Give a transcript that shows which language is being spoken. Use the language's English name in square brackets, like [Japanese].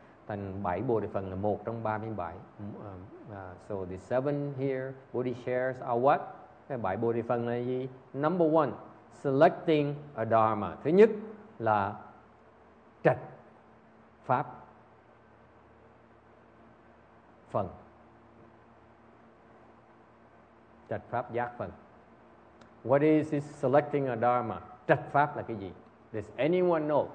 [Vietnamese] Thành bảy bồ đề phần là một trong 37. [English] So the seven here body shares are what? [Vietnamese] Cái bảy bồ đề phần là gì? [English] Number one, selecting a dharma. [Vietnamese] Thứ nhất là trạch pháp phần, trạch pháp giác phần. [English] What is this selecting a dharma? [Vietnamese] Trạch pháp là cái gì? [English] Does anyone know?